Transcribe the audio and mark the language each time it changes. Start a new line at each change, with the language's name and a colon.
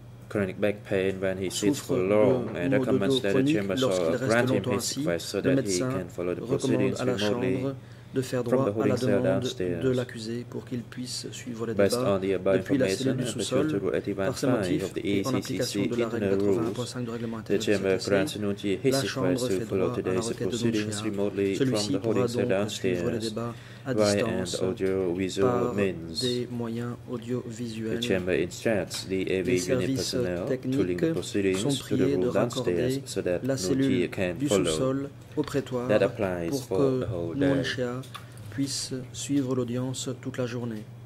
English: chronic back pain when he sits for long and recommends that the chamber shall grant him his request so that he can follow the proceedings remotely
French: de faire droit à la demande de l'accusé pour qu'il puisse suivre les débats depuis la cellule du sous-sol par ses motifs et en application de la règle 81.5 du règlement intérieur de CTC. La Chambre fait droit à la requête de Nunchea. Celui-ci pourra donc suivre les débats à distance par des moyens audiovisuels.
English: The chamber instructs the AV unit personnel to link the proceedings to the room downstairs so that Nunchea can follow.
French: Au prétoire pour que Nunchea puisse suivre l'audience toute la journée.